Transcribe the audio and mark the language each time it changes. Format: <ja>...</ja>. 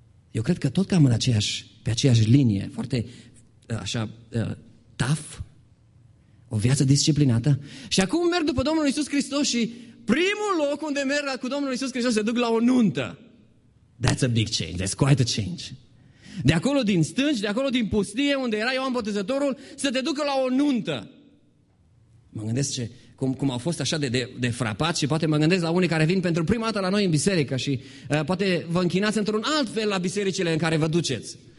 <ro>Eu cred că tot cam pe aceeași linie, foarte așa tough, o viață disciplinată. Și acum merg după Domnul Iisus Hristos și primul loc unde merg cu Domnul Iisus Hristos se duc la o nuntă.</ro> <en>That's a big change, that's quite a change.</en> <ro>De acolo din stânci, de acolo din pustie, unde era Ioan Botezătorul, să te ducă la o nuntă. Mă gândesc cum au fost așa de frapați și poate mă gândesc la unii care vin pentru prima dată la noi în biserică și poate vă închinați într-un alt fel la bisericile în care vă duceți.</ro>